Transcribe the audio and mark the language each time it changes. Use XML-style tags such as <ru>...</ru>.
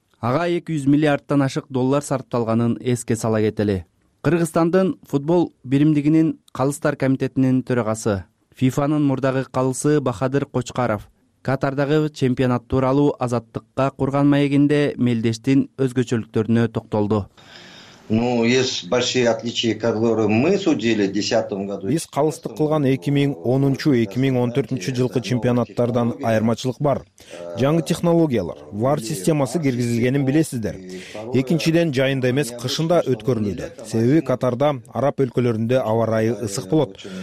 <ky>Ага 200 миллиардтан ашык доллар сарпталганын эске сала кетели. Кыргызстандын футбол биримдигинин калыстар комитетинин төрагасы, ФИФАнын мурдагы калысы Бахадыр Кочкаров Катардагы чемпионат тууралуу азаттыкка курган маегинде мелдештин өзгөчөлүктөрүнө токтолду.</ky> <ru>Ну, есть большие отличия, которые мы судили в 10-м году.</ru> <ky>Биз калыстык кылган 2010-2014 жылкы чемпионаттардан айырмачылык бар. Жаңы технологиялар, VAR системасы киргизилгенин билесиздер. Экинчиден жайында эмес кышында өткөрүлүүдө. Себеби Катарда араб өлкөлөрүндө аба ырайы ысык болот.</ky>